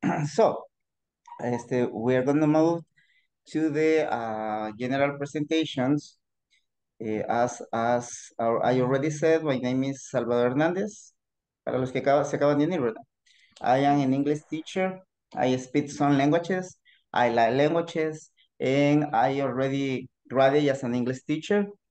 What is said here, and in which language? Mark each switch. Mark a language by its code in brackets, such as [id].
[en] So, we are going to move to the general presentations. As I already said, my name is Salvador Hernández. [es] Para los que se acaban de unir, ¿verdad? [en] I am an English teacher. I speak some languages. I like languages. And I already graduated as an English teacher.